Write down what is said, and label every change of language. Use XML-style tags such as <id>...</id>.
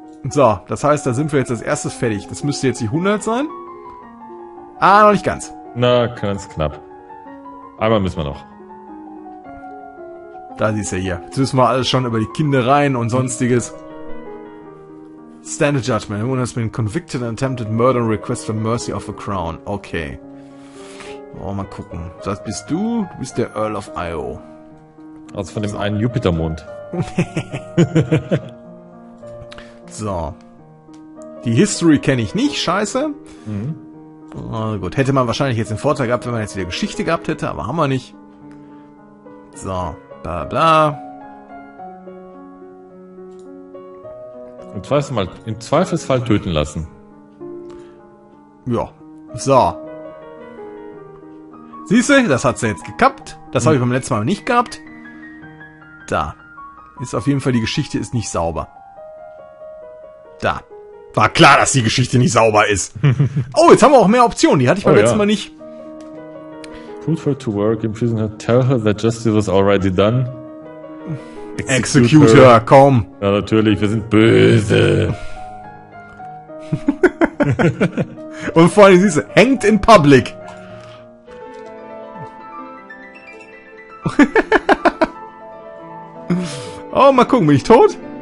<de>So, das heißt, da sind wir jetzt als erstes fertig. Das müsste jetzt die 100 sein. Ah, noch nicht ganz. Na, ganz knapp. Einmal müssen wir noch. Da siehst du hier. Jetzt wissen wir alles schon über die Kindereien und sonstiges.</de> <en>Standard Judgment. Everyone has been convicted and attempted murder and request for mercy of a crown.</en> <de>Okay. Oh, mal gucken. Das bist du. Du bist der Earl of Io. Aus von dem einen Jupitermond. So. Die History kenne ich nicht. Scheiße. Mhm. Oh, gut. Hätte man wahrscheinlich jetzt den Vorteil gehabt, wenn man jetzt wieder Geschichte gehabt hätte, aber haben wir nicht. So. Bla bla. Im Zweifelsfall töten lassen. Ja. So. Siehste, das hat sie jetzt gekappt. Das habe ich beim letzten Mal nicht gehabt. Da. Ist auf jeden Fall, die Geschichte ist nicht sauber. Da. War klar, dass die Geschichte nicht sauber ist. Oh, jetzt haben wir auch mehr Optionen. Die hatte ich beim letzten Mal nicht.</de> <en>Put her to work, imprison her, tell her that justice was already done.</en> <de>Executor, komm. Ja, natürlich, wir sind böse. Und vor allem siehste,</de> <en>hanged in public.</en> <de>Oh, mal gucken, bin ich tot?</de>